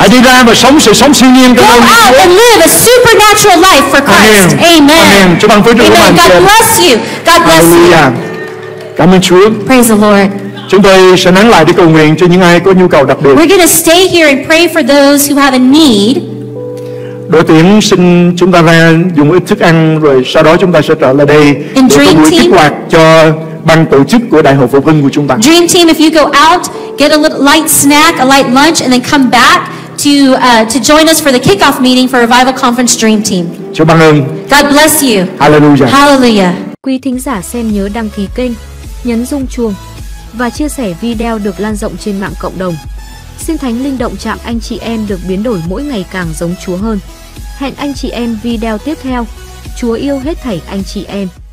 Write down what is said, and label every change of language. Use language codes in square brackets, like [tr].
[vi] Hãy đi ra và sống sự sống siêu nhiên. [en] Go out and live a supernatural life for Christ. Amen. [vi] Amen. Chúa ban phước cho bạn. [en] God bless you. God bless you. [vi] Cảm ơn Chúa. [en] Praise the Lord. [vi] Chúng tôi sẽ nán lại để cầu nguyện cho những ai có nhu cầu đặc biệt. [en] We're going to stay here and pray for those who have a need. [vi] Đội tuyển xin chúng ta ra dùng ít thức ăn rồi sau đó chúng ta sẽ trở lại đây để cùng kích hoạt cho ban tổ chức của Đại hội Phục Hưng của chúng ta. [en] Dream team, if you go out, get a little light snack, a light lunch, and then come back to join us for the kickoff meeting for Revival Conference Dream Team. [vi] Chúa ban ơn. [en] God bless you. Hallelujah. Hallelujah. [vi] Quý thính giả xem nhớ đăng ký kênh, nhấn rung chuông và chia sẻ video được lan rộng trên mạng cộng đồng. Xin Thánh Linh động chạm anh chị em được biến đổi mỗi ngày càng giống Chúa hơn. Hẹn anh chị em video tiếp theo. Chúa yêu hết thảy anh chị em.